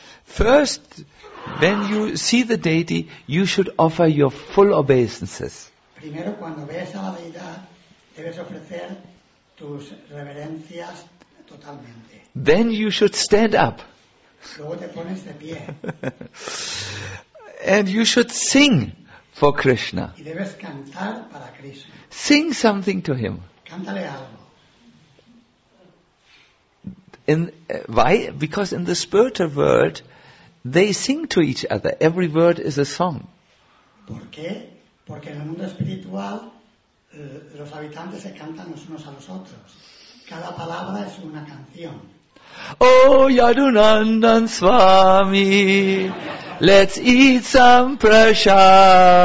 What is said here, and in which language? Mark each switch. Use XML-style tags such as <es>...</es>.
<en>First, when you see the deity, you should offer your full obeisances.</en> <es>Primero, cuando ves a la deidad, debes ofrecer tus reverencias totalmente.</es> <en>Then you should stand up.</en> <es>Luego te pones de pie.</es> <en>And you should sing for Krishna.</en> <es>Y debes cantar para Krishna.</es> <en>Sing something to him.</en> <es>Cántale algo.</es> <en>Why? Because in the spiritual world, they sing to each other. Every word is a song.</en> <es>¿Por qué? Porque en el mundo espiritual, los habitantes se cantan los unos a los otros. Cada palabra es una canción.</es> <en>Oh, Yadunandan Swami, let's eat some prasadam.</en>